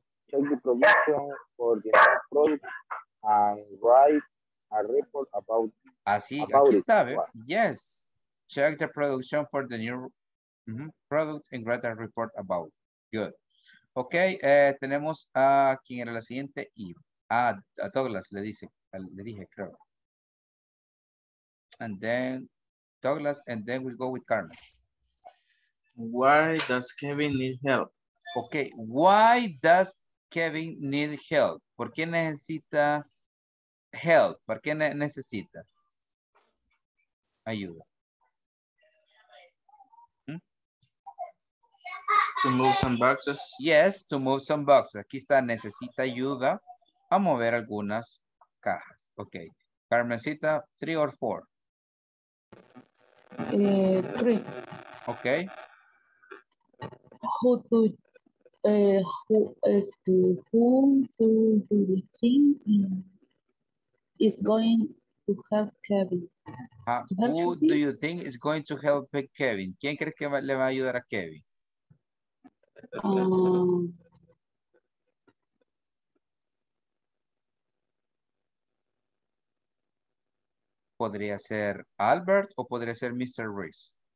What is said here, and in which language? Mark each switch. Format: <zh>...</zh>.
<en>Check the production for the product and write a report about.</en> <es>Así, aquí está, ¿ve?</es> <en>Yes. Check the production for the new product and write a report about. Good.</en> <es>Ok, tenemos a quién era la siguiente y a Douglas le dije, creo.</es> <en>And then Douglas, and then we'll go with Carmen. Why does Kevin need help? Ok, why does Kevin need help?</en> <es>¿Por qué necesita help? ¿Por qué necesita ayuda?</es> <en>To move some boxes. Yes, to move some boxes.</en> <es>Aquí está, necesita ayuda a mover algunas cajas.</es> <en>Ok. Carmencita, three or four? Three. Ok. Who do you think is going to help Kevin? Do you think is going to help Kevin?</en> <es>¿Quién crees que le va a ayudar a Kevin? Um, podría ser Albert o podría ser Mr. Ruiz.</es>